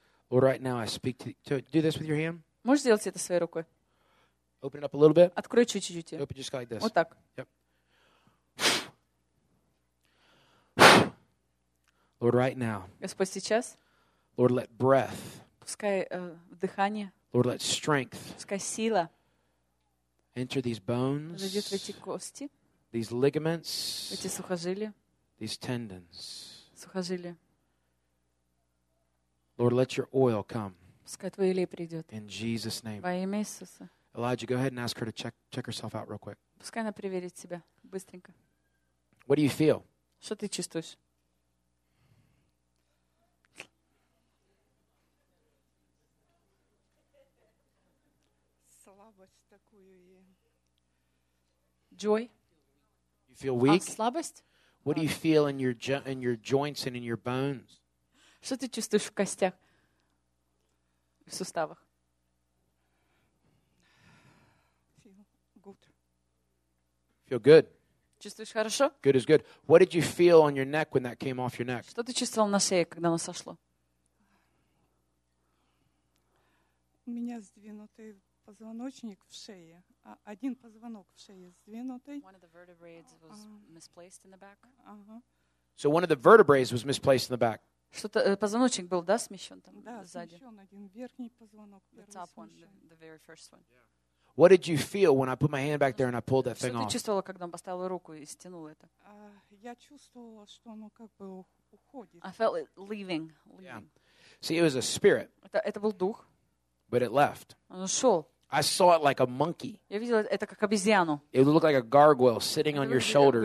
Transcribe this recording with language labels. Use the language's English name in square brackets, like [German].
[English] Lord, right now, I speak to do this with your hand. [Russian] Можешь сделать это своей рукой? [English] Open it up a little bit. [Russian] Открой чуть-чуть. [English] Open just like this. [Russian] Вот так. [English] Yep. Lord, right now. [Russian] Господь, сейчас. [English] Lord, let breath. [Russian] Пускай дыхание. [English] Lord, let strength. [Russian] Пускай сила. [English] Enter these bones. [Russian] Зайдет в эти кости. [English] These ligaments. [Russian] Эти сухожилия. [English] These tendons. [Russian] Сухожилия. [English] Lord, let your oil come. [Russian] Пускай твой олей придет. [English] In Jesus' name. [Russian] Во имя Иисуса. [English] Elijah, go ahead and ask her to check herself out real quick. [Russian] Пускай она проверит себя быстренько. [English] What do you feel? [Russian] Что ты чувствуешь? Слабость такую ей. [English] Joy? You feel weak? [Russian] Слабость? [English] What do you feel in your joints and in your bones? [Russian] Что ты чувствуешь в костях? В суставах? [English] Feel good. [Russian] Чувствуешь хорошо? [English] Good is good. What did you feel on your neck when that came off your neck? [Russian] Что ты чувствовал на шее, когда оно сошло? У меня сдвинутый позвоночник в шее. Один позвонок в шее сдвинутый. [English] One of the vertebrae was misplaced in the back. So one of the vertebrae was misplaced in the back. [Russian] Что-то позвоночник был, да, смещен там да, сзади? Да, смещен один верхний позвонок. [English] The top one, the very first one. Yeah. What did you feel when I put my hand back there and I pulled that thing off? [Russian] Что ты чувствовала, когда он поставил руку и стянул это? Я чувствовала, что оно как бы уходит. [English] I felt it leaving. Yeah. See, it was a spirit. [Russian] Это был дух. [English] But it left. [Russian] Он ушел. [English] I saw it like a monkey. [Russian] Я видела это как обезьяну. [English] It looked like a gargoyle sitting on your shoulders.